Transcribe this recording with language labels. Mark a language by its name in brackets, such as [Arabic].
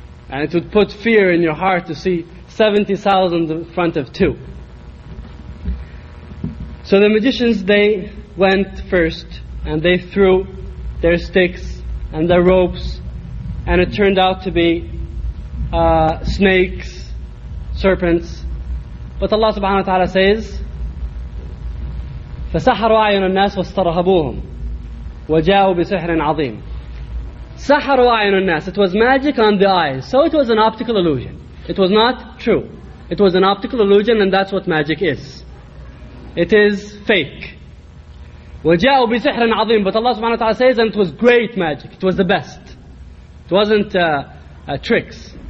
[English] And it would put fear in your heart to see 70,000 in front of two. So the magicians, they went first and they threw their sticks and their ropes, and it turned out to be snakes, serpents. But Allah subhanahu wa ta'ala says, [Arabic] فَسَحَرُوا عَيُنَ النَّاسِ وَاسْتَرْهَبُوهُمْ وَجَاءُوا بِسِحْرٍ عَظِيمٍ. سَحَرُوا عَيُنَ النَّاسِ. [English] It was magic on the eyes. So it was an optical illusion. It was not true. It was an optical illusion, and that's what magic is. It is fake. [Arabic] وَجَاءُوا بِسِحْرٍ عَظِيمٍ. [English] But Allah subhanahu wa ta'ala says, and it was great magic. It was the best. It wasn't tricks.